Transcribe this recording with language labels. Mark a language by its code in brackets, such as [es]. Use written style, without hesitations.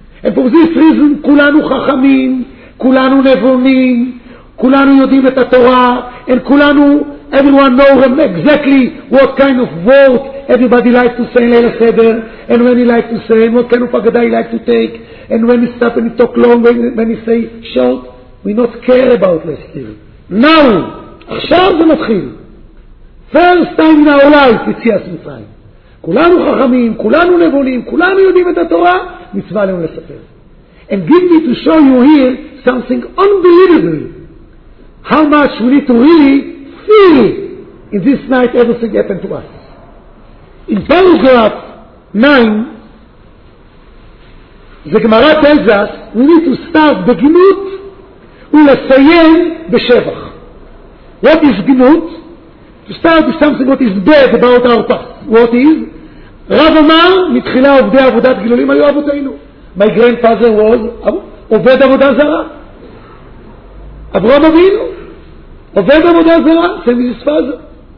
[en] And for this reason, [he] כולנו חכמים, כולנו נבונים, כולנו יודעים את התורה, [en] and כולנו, everyone knows exactly what kind of word everybody likes to say in Leila Seder, and when he likes to say, and what kind of Agadah he likes to take, and when he stops and he talks long, when he says short, we not care about this thing. [he] Now, עכשיו זה מתחיל. [en] First time in our life, it's Yitzias Mitzrayim. [he] כולנו חכמים, כולנו נבונים, כולנו יודעים את התורה, מצווה לנו לספר. [en] And give me to show you here something unbelievable. How much we need to really feel in this night everything happened to us. In paragraph 9, the Gemara tells us we need to start [he] בגנות ולסיים בשבח. [en] What is גנות? To start with something what is bad about our past. What is? [he] רב אמר, מתחילה עובדי עבודת גילולים היו אבותינו. [en] My grandfather was [he] עובד עבודה זרה. אברהם אבינו, עובד עבודה זרה, [en] same as his father.